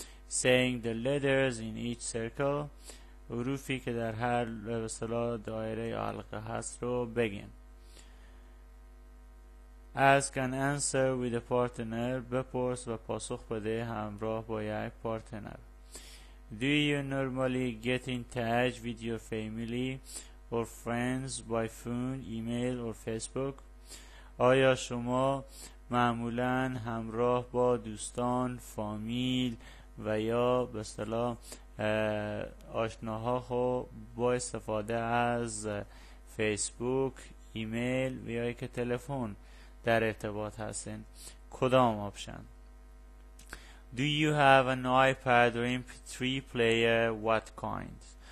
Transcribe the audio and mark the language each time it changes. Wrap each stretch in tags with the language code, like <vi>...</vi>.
<en>Saying the letters in each circle,</en> <fa>حروفی که در هر مثلا دایره یا حلقه هست رو بگین.</fa> <en>Ask and answer with a partner.</en> <fa>بپرس و پاسخ بده همراه با یک پارتنر.</fa> <en>Do you normally get in touch with your family or friends by phone, email or Facebook?</en> <fa>آیا شما معمولا همراه با دوستان، فامیل و یا به اصطلاح آشناها خو با استفاده از فیسبوک، ایمیل و یا که تلفن در ارتباط هستین؟ کدام آپشن؟</fa> <en>Do you have an iPad or MP3 player? What kind?</en>